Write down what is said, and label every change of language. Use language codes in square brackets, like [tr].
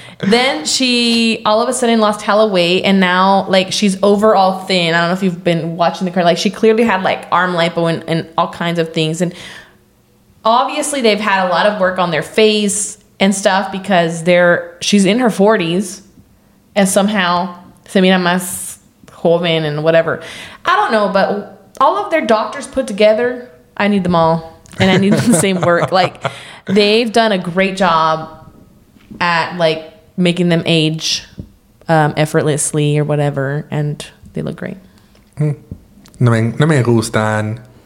[en] Then she all of a sudden lost hella weight. And now, like, she's overall thin. I don't know if you've been watching the car. Like, she clearly had, like, arm lipo and all kinds of things. And obviously, they've had a lot of work on their face and stuff because she's in her 40s. And somehow, [es] se mira más joven [en] and whatever. I don't know. But all of their doctors put together, I need them all. And I need the same work. Like, they've done a great job at, like, making them age effortlessly or whatever. And they look great. [es] No me gustan.